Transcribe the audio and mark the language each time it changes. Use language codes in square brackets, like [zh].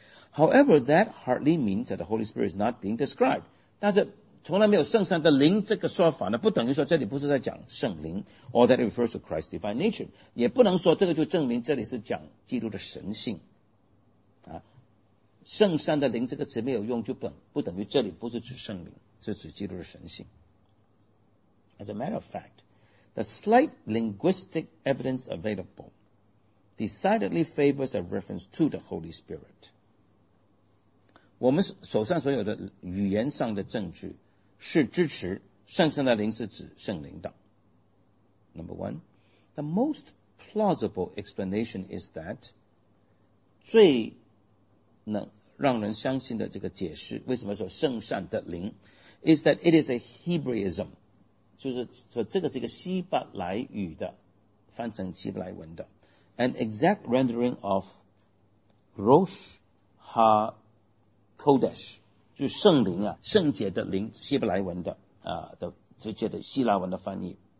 [en] However, that hardly means that the Holy Spirit is not being described [zh] 但是从来没有圣善的灵这个说法呢不等于说这里不是在讲圣灵 [en] Or that it refers to Christ's divine nature [zh] 也不能说这个就证明这里是讲基督的神性圣善的灵这个词没有用就不等于这里不是指圣灵是指基督的神性 [en] As a matter of factThe slight linguistic evidence available decidedly favors a reference to the Holy Spirit. [zh] 我们手上所有的语言上的证据是支持圣善的灵是指圣灵的。 [en] Number one, the most plausible explanation is that [zh] 最能让人相信的这个解释为什么说圣善的灵 [en] is that it is a Hebraism. [zh] 就是说这个是一个希伯来语的翻成希伯来文的 [en] An exact rendering of Rosh HaKodesh [zh] 就是圣灵啊圣洁的灵希伯来文的啊的直接的希腊文的翻译